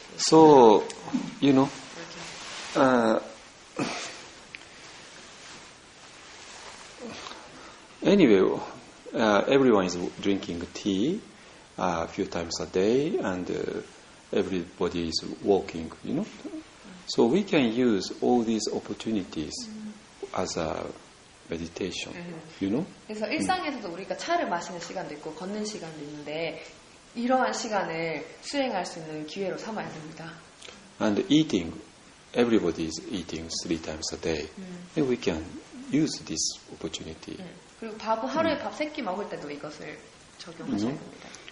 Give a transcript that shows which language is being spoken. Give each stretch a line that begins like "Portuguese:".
English: So, you know, anyway, everyone is drinking tea a few times a day, and everybody is walking. You know. So we can use all these opportunities as a meditation, you know?
Korean: 그래서 일상에서도 우리가 차를 마시는 시간도 있고 걷는 시간도 있는데 이러한 시간을 수행할 수 있는 기회로 삼아야 됩니다.
English: And eating, everybody is eating 3 times a day. And we can use this opportunity.
Korean: 그리고 밥을 하루에 밥 세 끼 먹을 때도 이것을 적용하셔야 됩니다.